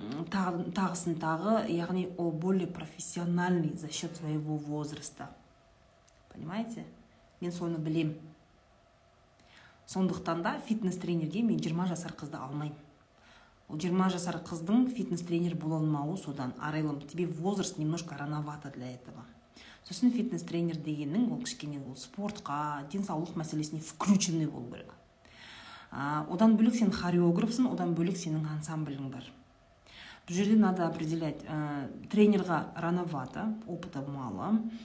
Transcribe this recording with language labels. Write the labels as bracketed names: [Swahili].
[Kazakh] Тағысын тағы, яғни ол [Russian] более профессиональный за счет своего возраста. Понимаете? [Kazakh] Мен соны білем. Сондықтан да фитнес-тренерге мен 20 жасар қызды алмайым. Ол 20 жасар қыздың фитнес-тренер бола алмауы содан. [Russian] Арайлым, тебе возраст немножко рановато для этого. [Kazakh] Сосын фитнес-тренер дегенің ол кішкене ол спортқа, денсаулық мәселесіне включенный болу керек. Одан бөлік сен хореографсын, одан бөлік сенің ансамбілің бар. Бұл жерде [Russian] надо определять, тренерға рановато, опыта мало,